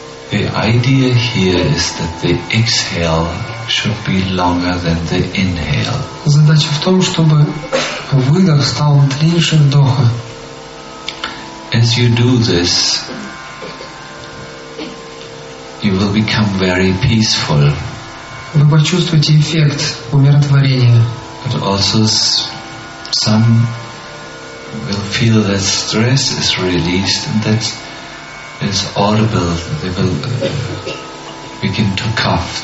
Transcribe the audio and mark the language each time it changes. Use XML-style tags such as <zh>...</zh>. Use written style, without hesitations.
<en>The idea here is that the exhale should be longer than the inhale.</en> <ru>Задача в том, чтобы выдох стал длиннее вдоха.</ru> <en>As you do this, you will become very peaceful.</en> <ru>Вы почувствуете эффект умиротворения.</ru> <en>But also some will feel that stress is released and that it's audible. They will begin to cough.</en>